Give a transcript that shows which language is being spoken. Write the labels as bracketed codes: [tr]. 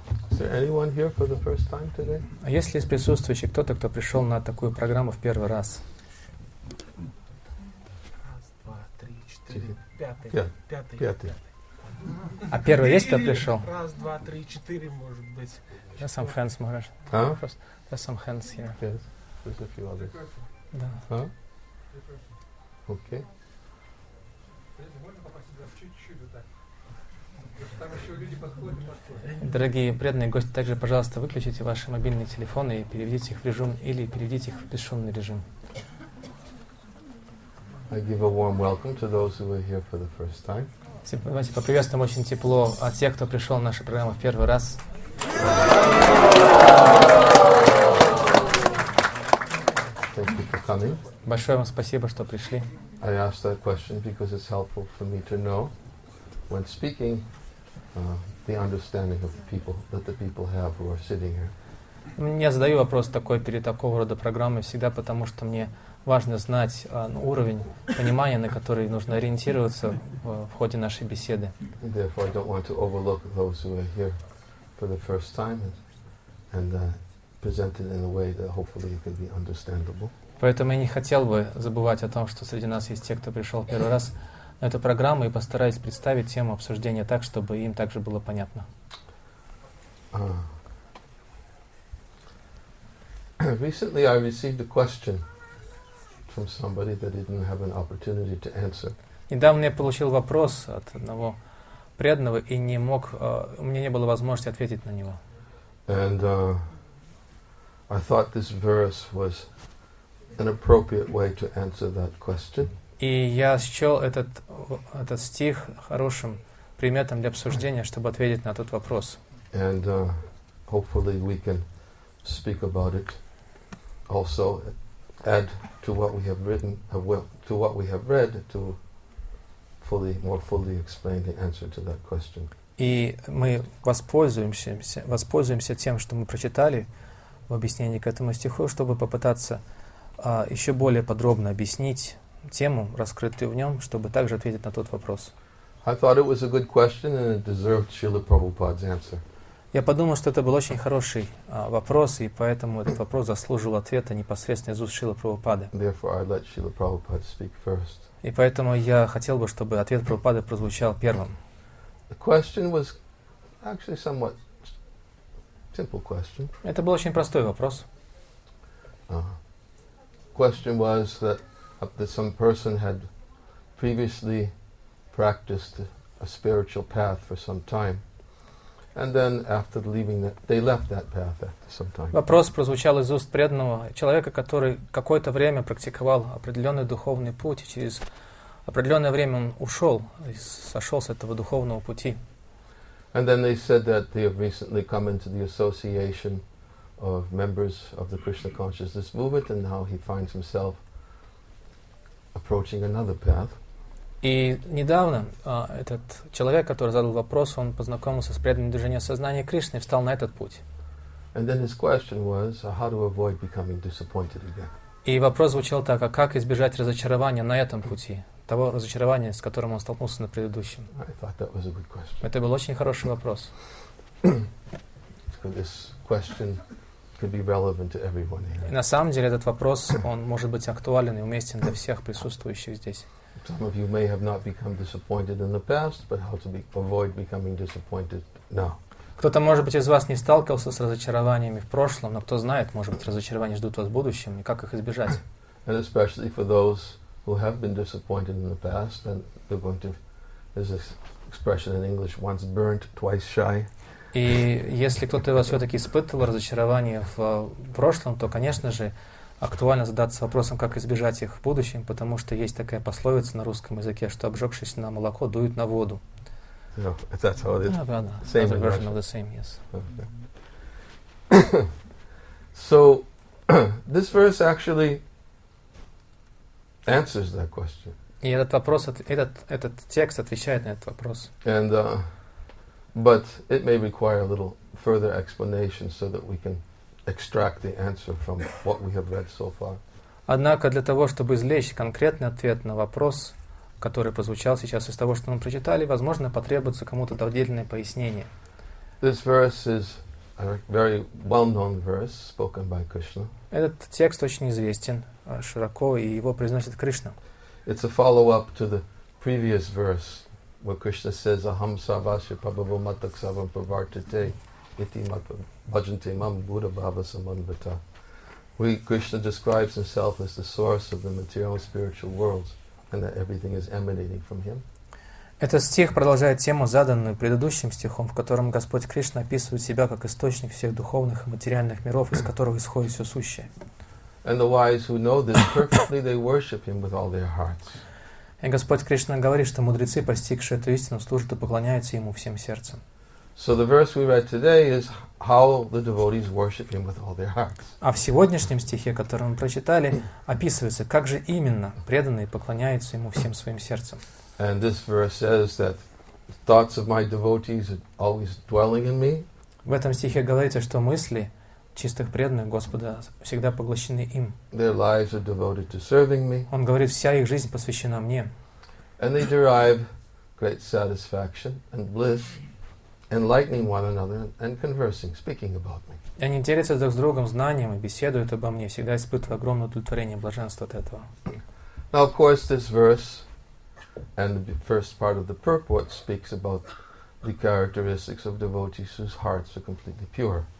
[en] Is there anyone here for the first time today? [ru] А есть ли из присутствующих кто-то, кто пришел на такую программу в первый раз? Раз, два, три, четыре, пятый. А первый есть, кто пришел? Раз, два, три, четыре, может быть. [en] There's some hands, Maharaj. There's some hands here. Yes, there's a few others. [ru] Да. Окей. Можно попросить вас чуть-чуть вот так? Там еще люди подходят. Дорогие преданные гости, также, пожалуйста, выключите ваши мобильные телефоны и переведите их в режим, или переведите их в бесшумный режим. [en] I give a warm welcome to those who are here for the first time. [ru] Давайте поприветствуем очень тепло от тех, кто пришел в нашу программу в первый раз. [en] Thank you for coming. [ru] Большое вам спасибо, что пришли. [en] I asked that question because it's helpful for me to know when speaking the understanding of the people, that the people have who are sitting here. [ru] Я задаю вопрос такой перед такого рода программой всегда, потому что мне важно знать уровень понимания, на который нужно ориентироваться в ходе нашей беседы. [en] Therefore, I don't want to overlook those who are here for the first time and present it in a way that hopefully it can be understandable. [ru] Поэтому я не хотел бы забывать о том, что среди нас есть те, кто пришел первый раз на эту программу, и постараюсь представить тему обсуждения так, чтобы им также было понятно. [en] Recently I received a question from somebody that didn't have an opportunity to answer. [ru] Недавно я получил вопрос от одного преданного и не мог, у меня не было возможности ответить на него. [en] And I thought this verse was an appropriate way to answer that question. [ru] И я счел этот стих хорошим приметом для обсуждения, чтобы ответить на тот вопрос. [en] And hopefully we can speak about it also, add to what we have written, to what we have read, to fully, more fully explain the answer to that question. [ru] И мы воспользуемся тем, что мы прочитали в объяснении к этому стиху, чтобы попытаться еще более подробно объяснить тему, раскрытую в нем, чтобы также ответить на тот вопрос. [en] I thought it was a good question and it deserved Srila Prabhupada's answer. [ru] Я подумал, что это был очень хороший вопрос, и поэтому этот вопрос заслужил ответа непосредственно из уст Шрилы Прабхупады. [en] Therefore, I'd let Srila Prabhupada speak first. [ru] И поэтому я хотел бы, чтобы ответ Прабхупады прозвучал первым. [en] The question was actually somewhat simple question. [ru] Это был очень простой вопрос. [en] Question was that some person had previously practiced a spiritual path for some time. And then after leaving that, they left that path after some time. [ru] Вопрос прозвучал из уст преданного человека, который какое-то время практиковал определенный духовный путь, и через определенное время он ушел, сошел с этого духовного пути. [en] And then they said that they have recently come into the association of members of the Krishna Consciousness Movement, and now he finds himself approaching another path. [ru] И недавно этот человек, который задал вопрос, он познакомился с преданным движением сознания Кришны и встал на этот путь. [en] And then his question was, how to avoid becoming disappointed again. [ru] И вопрос звучал так, а как избежать разочарования на этом пути, того разочарования, с которым он столкнулся на предыдущем? [en] I thought that was a good question. [ru] Это был очень хороший вопрос. [en] This question could be relevant to everyone here. [ru] И на самом деле этот вопрос, он может быть актуален и уместен для всех присутствующих здесь. [en] Some of you may have not become disappointed in the past, but how to avoid becoming disappointed now? [ru] Кто-то, может быть, из вас не сталкивался с разочарованиями в прошлом, но кто знает, может быть, разочарования ждут вас в будущем, и как их избежать? [en] And especially for those who have been disappointed in the past, and they're going to, there's this expression in English, once burnt, twice shy. [ru] И если кто-то из вас все-таки испытывал разочарование в прошлом, то, конечно же, актуально задаться вопросом, как избежать их в будущем, потому что есть такая пословица на русском языке, что обжегшись на молоко, дует на воду. [en] That's how it is. Same another version of the same, yes. Okay. So, this verse actually answers that question. [ru] И этот вопрос, этот текст отвечает на этот вопрос. [en] And, but it may require a little further explanation so that we can extract the answer from what we have read so far. [ru] Однако для того, чтобы извлечь конкретный ответ на вопрос, который прозвучал сейчас из того, что мы прочитали, возможно, потребуется кому-то дополнительное пояснение. [en] This verse is a very well-known verse spoken by Krishna. [ru] Этот текст очень известен широко, и его произносит Кришна. [en] It's a follow-up to the previous verse, where Krishna says, [sa] "Aham sarvasya prabhavo mataksavam pravartate iti matvam." Bhajante mam Buddha Bhava Samanvata. [en] Krishna describes himself as the source of the material and spiritual worlds, and that everything is emanating from him. [ru] Этот стих продолжает тему, заданную предыдущим стихом, в котором Господь Кришна описывает себя как источник всех духовных и материальных миров, из которых исходит все сущее. [en] And the wise who know this perfectly, they worship him with all their hearts. [ru] И Господь Кришна говорит, что мудрецы, постигшие эту истину, служат и поклоняются ему всем сердцем. [en] So the verse we read today is how the devotees worship him with all their hearts. [ru] А в сегодняшнем стихе, который мы прочитали, описывается, как же именно преданные поклоняются ему всем своим сердцем. [en] And this verse says that thoughts of my devotees are always dwelling in me. [ru] В этом стихе говорится, что мысли чистых преданных Господа всегда поглощены им. [en] Their lives are devoted to serving me. [ru] Он говорит, вся их жизнь посвящена мне. [en] And they derive great satisfaction and bliss enlightening one another and conversing, speaking about me. [ru] И они делятся друг с другом знанием и беседуют обо мне, всегда испытывая огромное удовлетворение и блаженство от этого. [en] Now, of course, this verse and the first part of the purport speaks about the characteristics of devotees whose hearts are completely pure.